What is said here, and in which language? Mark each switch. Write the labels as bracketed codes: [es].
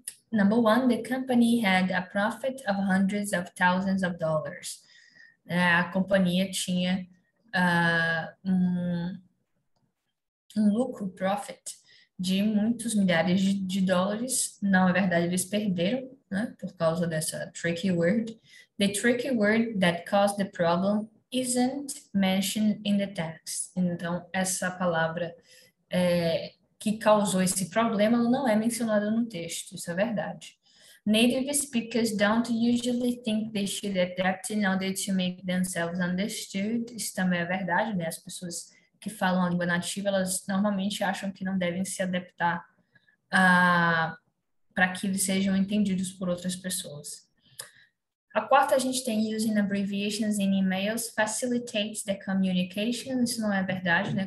[en] Number one, the company had a profit of hundreds of thousands of dollars. [pt] A companhia tinha um lucro, profit, de muitos milhares de dólares. Não, na verdade, eles perderam, né, por causa dessa tricky word. [en] The tricky word that caused the problem isn't mentioned in the text. [pt] Então, essa palavra que causou esse problema não é mencionada no texto, isso é verdade. [en] Native speakers don't usually think they should adapt in order to make themselves understood. [pt] Isso também é verdade, né? As pessoas que falam a língua nativa, elas normalmente acham que não devem se adaptar para que eles sejam entendidos por outras pessoas. A quarta, a gente tem [en] using abbreviations in emails facilitates the communication. [pt] Isso não é verdade, né?